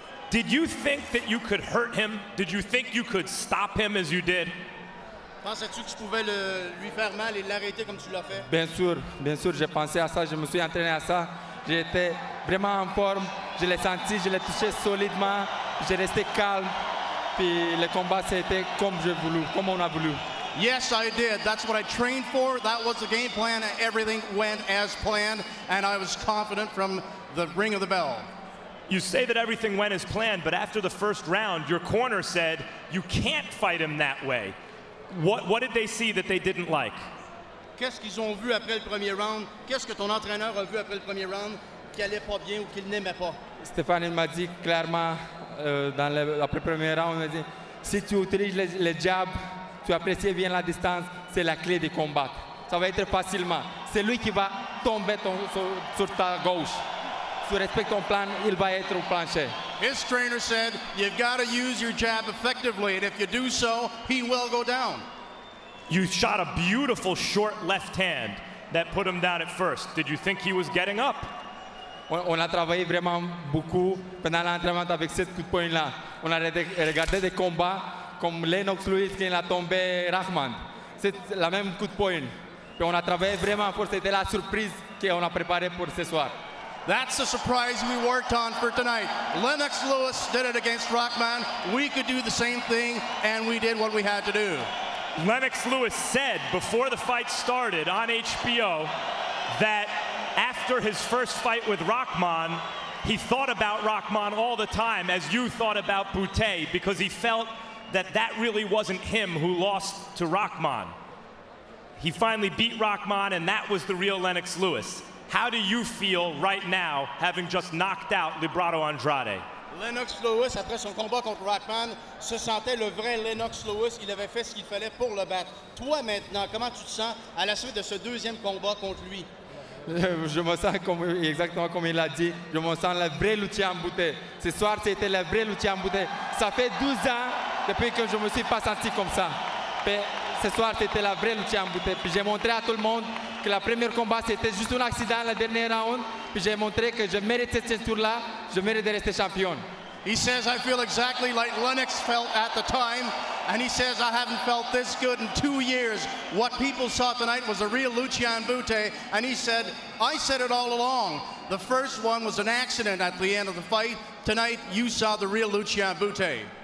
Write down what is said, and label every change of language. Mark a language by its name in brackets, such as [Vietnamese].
[English] Did you think that you could hurt him? Did you think you could stop him as you did? [French] Pensais-tu que tu pouvais le lui faire mal et l'arrêter comme tu l'as fait? Bien sûr, j'ai pensé à ça, je me suis entraîné à ça. J'étais vraiment en forme, je l'ai senti, je l'ai touché solidement, j'ai resté calme, puis le combat c'était comme je voulais, comme on a voulu. [English] Yes, I did. That's what I trained for. That was the game plan, and everything went as planned, and I was confident from the ring of the bell. You say that everything went as planned, but after the first round, your corner said you can't fight him that way. What did they see that they didn't like? [French] Qu'est-ce qu'ils ont vu après le premier round? Qu'est-ce que ton entraîneur a vu après le premier round qui allait pas bien ou qu'il n'aimait pas? Stéphane, il m'a dit clairement dans le, après le premier round, il m'a dit si tu utilises le jab, tu apprécies bien la distance, c'est la clé du combat. Ça va être facilement. C'est lui qui va tomber ton, sur ta gauche. Tu respectes ton plan, il va être au plancher. [English] His trainer said, you've got to use your jab effectively, and if you do so, he will go down. You shot a beautiful short left hand that put him down at first. Did you think he was getting up? [French] On a travaillé vraiment beaucoup pendant l'entraînement avec cette coup de poing là. On a regardé des combats comme Lennox Lewis qui l'a tombé Rahman. C'est la même coup de poing. Puis on a travaillé vraiment pour c'était la surprise qu'on a préparée pour ce soir. [English] That's the surprise we worked on for tonight. Lennox Lewis did it against Rahman. We could do the same thing, and we did what we had to do. Lennox Lewis said before the fight started on HBO that after his first fight with Rahman, he thought about Rahman all the time, as you thought about Bute, because he felt that that really wasn't him who lost to Rahman. He finally beat Rahman, and that was the real Lennox Lewis. How do you feel right now, having just knocked out Librado Andrade? [French] Lennox Lewis, après son combat contre Rahman, se sentait le vrai Lennox Lewis. Il avait fait ce qu'il fallait pour le battre. Toi, maintenant, comment tu te sens à la suite de ce deuxième combat contre lui? Je me sens comme, exactement comme il l'a dit. Je me sens le vrai Lucian Bute. Ce soir, c'était le vrai Lucian Bute. Ça fait 12 ans depuis que je ne me suis pas senti comme ça. Mais ce soir, c'était le vrai Lucian Bute. Puis j'ai montré à tout le monde que le premier combat, c'était juste un accident, le dernier round. Puis j'ai montré que je mérite cette ceinture-là, je mérite de rester champion. [English] He says, I feel exactly like Lennox felt at the time. And he says, I haven't felt this good in 2 years. What people saw tonight was a real Lucian Bute. And he said, I said it all along. The first one was an accident at the end of the fight. Tonight, you saw the real Lucian Bute.